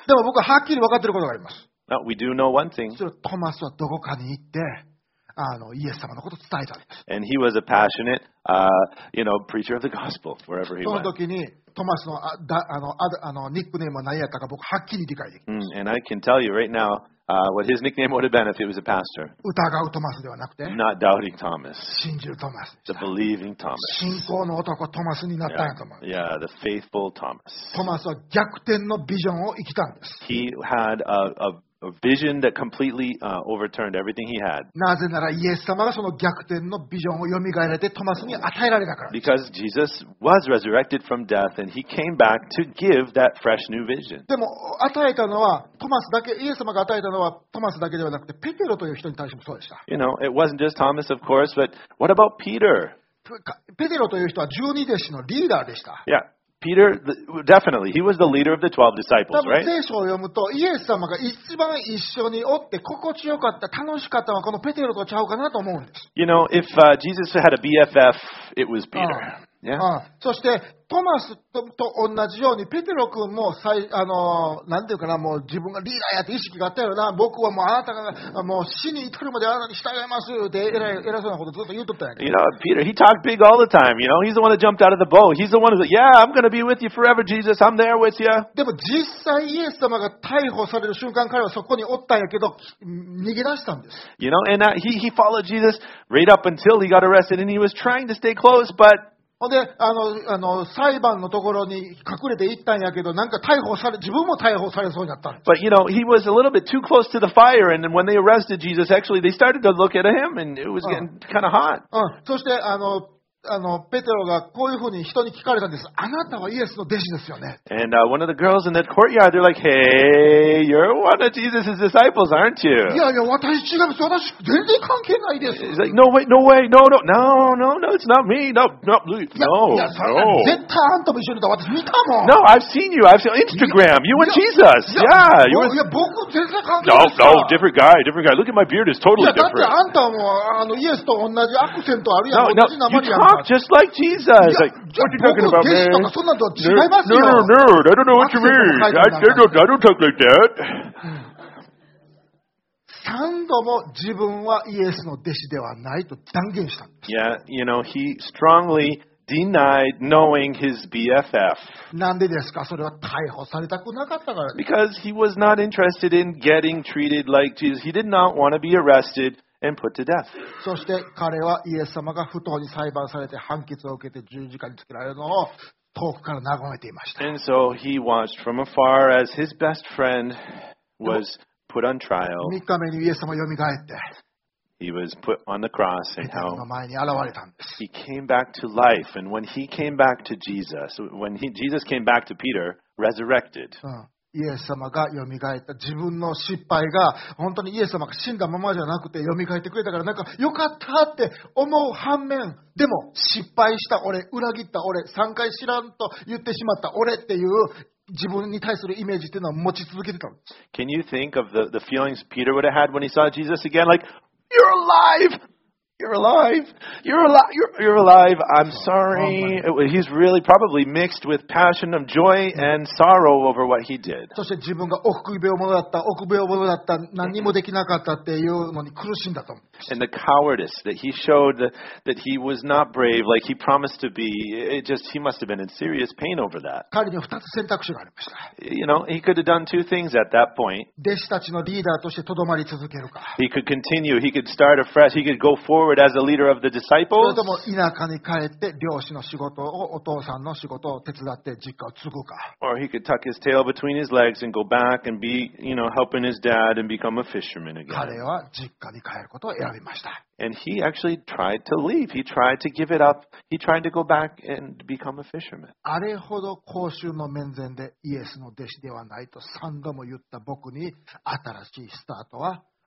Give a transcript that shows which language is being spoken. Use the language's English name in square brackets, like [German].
[Japanese] でも僕ははっきり分かってることがあります。 [English] But we do know one thing. [Japanese] トマスはどこかに行って、イエス様のことを伝えたんです。 [English] And he was a passionate, you know, preacher of the gospel wherever he went. [Japanese] その時にトマスのニックネームは何やったか僕はっきり理解できます。 [English] And I can tell you right now. What his nickname would have been if he was a pastor. [Japanese] 疑うトマスではなくて [English] Not doubting Thomas. [Japanese] 信じるトマス [English] The believing Thomas. [Japanese] 信仰の男トマスになったんやと思う。 [English] Yeah. Yeah, the faithful Thomas. [Japanese] トマスは逆転のビジョンを生きたんです。 [English] He had a vision that completely overturned everything he had. [Japanese] なぜならイエス様がその逆転のビジョンをよみがえられてトマスに与えられたから。 [English] Because Jesus was resurrected from death and he came back to give that fresh new vision. [Japanese] でも与えたのはトマスだけ、イエス様が与えたのはトマスだけではなくてペテロという人に対してもそうでした。 [English] You know, it wasn't just Thomas, of course, but what about Peter? [Japanese] ペテロという人は十二弟子のリーダーでした。 [English] Yeah. Peter, definitely, he was the leader of the 12 disciples, right? [Japanese] 聖書を読むと、イエス様が一番一緒におって心地よかった、楽しかったのはこのペテロとちゃうかなと思うんです。 [English] You know, if Jesus had a BFF, it was Peter. Yeah. [Japanese] そして、トマスと同じように、ペテロ君も最、なんていうかな、もう自分がリーダーやって意識があったよな、僕はもうあなたがもう死に至るまであなたに従いますって偉そうなことずっと言うとったんやけど。 [English] You know, Peter, he talked big all the time, you know, he's the one that jumped out of the boat, he's the one that, yeah, I'm gonna be with you forever, Jesus, I'm there with you. [Japanese] でも実際イエス様が逮捕される瞬間彼はそこにおったんやけど、逃げ出したんです。 [English] You know, and he followed Jesus right up until he got arrested and he was trying to stay close, but, [Japanese] で裁判のところに隠れて行ったんやけど、なんか逮捕され、自分も逮捕されそうになったんです。 [English] But you know, he was a little bit too close to the fire, and when they arrested Jesus, actually, they started to look at him, and it was getting kind of hot. [Japanese] そして、ペテロがこういうふうに人に聞かれたんです。あなたはイエスの弟子ですよね。 [English] And one of the girls in that courtyard, they're like, hey, you're one of Jesus' disciples, aren't you? [Japanese] いやいや、私違います。私全然関係ないです。 [English] He's like, no, wait, no way, no, no, no, no, no, it's not me, no, no, no, no. [Japanese] 絶対あんたも一緒にいた。私見たもん。 [English] No, I've seen you. I've seen Instagram. You and Jesus. Yeah. [Japanese] いや、僕全然関係ない。 [English] No, no, different guy, different guy. Look at my beard, it's totally different. [Japanese] いや、だってあんたもイエスと同じアクセントあるやん。 [English] No, no, you talk. Just like Jesus. Like, what are you talking about, man? Nerd, nerd, nerd. I don't know what you mean. I don't talk like that. [Japanese] 三度も自分はイエスの弟子ではないと断言したんです。 [English] Yeah, you know, he strongly denied knowing his BFF. [Japanese] なんでですか？それは逮捕されたくなかったからです。 [English] Because he was not interested in getting treated like Jesus. He did not want to be arrested. And put to death. [Japanese] そして彼はイエス様が不当に裁判されて判決を受けて十字架につけられるのを遠くから眺めていました。 [English] And so he watched from afar as his best friend was put on trial. [Japanese] 3日目にイエス様よみがえって。 [English] He was put on the cross and how he came back to life. And when he came back to Jesus, when Jesus came back to Peter, resurrected. [Japanese] イエス様が蘇った自分の失敗が本当にイエス様が死んだままじゃなくて蘇ってくれたからなんか良かったって思う反面でも失敗した俺裏切った俺3回知らんと言ってしまった俺っていう自分に対するイメージっていうのは持ち続けてた。 [English] Can you think of the feelings Peter would have had when he saw Jesus again? Like, you're alive! You're alive! You're alive! You're alive! I'm sorry! He's really probably mixed with passion of joy and sorrow over what he did. [Japanese] そして自分が臆病者だった、臆病者だった、何にもできなかったっていうのに苦しんだと。 [English] And the cowardice that he showed that he was not brave like he promised to be, it just, he must have been in serious pain over that. [Japanese] 彼には二つ選択肢がありました。 [English] You know, he could have done two things at that point. [Japanese] 弟子たちのリーダーとして留まり続けるか。 [English] He could continue, he could start afresh, he could go forward as a leader of the disciples. [Japanese] それとも田舎に帰って漁師の仕事をお父さんの仕事を手伝って実家を継ぐか。 [English] Or he could tuck his tail between his legs and go back and be, you know, helping his dad and become a fisherman again. [Japanese] 彼は実家に帰ることを選びました。 [English] And he actually tried to leave. He tried to give it up. He tried to go back and become a fisherman. [Japanese] あれほど公衆の面前でイエスの弟子ではないと三度も言った僕に新しいスタートは。